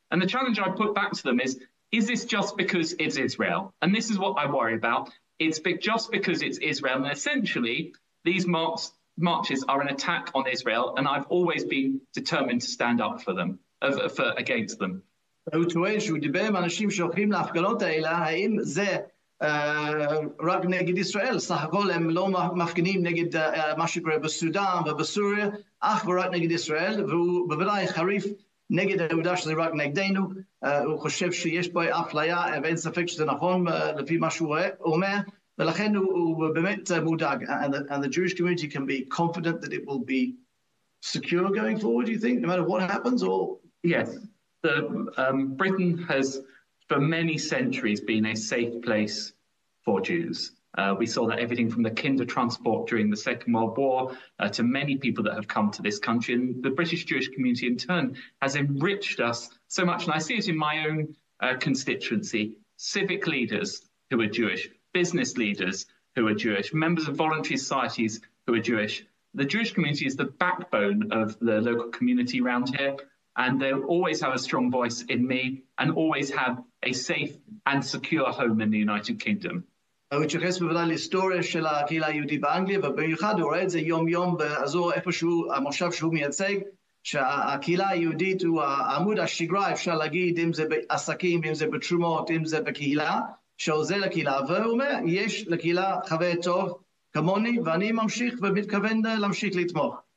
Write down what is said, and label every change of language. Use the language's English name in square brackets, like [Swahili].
[English] And the challenge I put back to them is this just because it's Israel? And this is what I worry about. It's just because it's Israel. And essentially, these marches are an attack on Israel, and I've always been determined to stand up for them, against them. [Hebrew] הוא טוען שהוא דיבר עם אנשים שהולכים להפגנות האלה, האם זה רק נגד ישראל? סך הכל הם לא מפגינים נגד מה שקורה בסודאן ובסוריה, אך ורק נגד ישראל, והוא בוודאי חריף נגד העובדה שזה רק נגדנו. הוא חושב שיש פה אפליה, ואין ספק שזה נכון לפי מה שהוא אומר, ולכן הוא באמת מודאג. [English] And the Jewish community can be confident that it will be secure going forward, do you think, no matter what happens? Or yes. Britain has for many centuries been a safe place for Jews. We saw that everything from the Kinder transport during the Second World War to many people that have come to this country. And the British Jewish community in turn has enriched us so much. And I see it in my own constituency, civic leaders who are Jewish, business leaders who are Jewish, members of voluntary societies who are Jewish. The Jewish community is the backbone of the local community around here. and they'll always have a strong voice in me and always have a safe and secure home in the United Kingdom. [Hebrew] הוא התייחס בוודאי להיסטוריה של הקהילה היהודית באנגליה, ובמיוחד הוא רואה את זה יום-יום באזור איפשהו, המושב שהוא מייצג, שהקהילה היהודית הוא העמוד השגרה, אפשר להגיד, אם זה בעסקים, אם זה בתרומות, אם זה בקהילה, שעוזר לקהילה, והוא אומר, יש לקהילה חבר טוב כמוני, ואני ממשיך ומתכוון להמשיך לתמוך.